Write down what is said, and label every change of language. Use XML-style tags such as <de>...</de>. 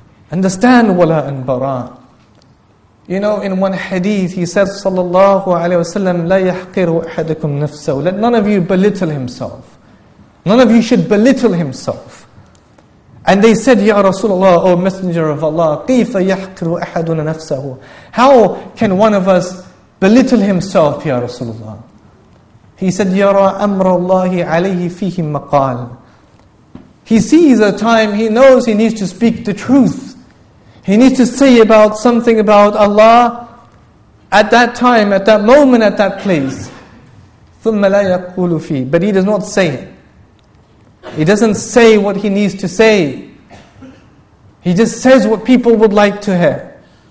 <en>Understand wala and bara. You know, in one hadith he said, sallallahu alayhi wa sallam,</en> <ar>لَا يَحْقِرُ أَحَدَكُمْ نَفْسَهُ.</ar> <en>Let none of you belittle himself. None of you should belittle himself. And they said, Ya Rasulullah, O Messenger of Allah,</en> <ar>كَيْفَ يَحْقِرُ أَحَدُنَا نَفْسَهُ.</ar> <en>How can one of us belittle himself, Ya Rasulullah? He said,</en> <ar>يَرَى أَمْرَ اللَّهِ عَلَيْهِ فِيهِ مَقَالٍ.</ar> <en>He sees a time, he knows he needs to speak the truth. He needs to say about something about Allah at that time, at that moment, at that place.</en> <ar>ثُمَّ لَا يَقُولُ فِي.</ar> <en>But he does not say it. He doesn't say what he needs to say. He just says what people would like to hear.</en>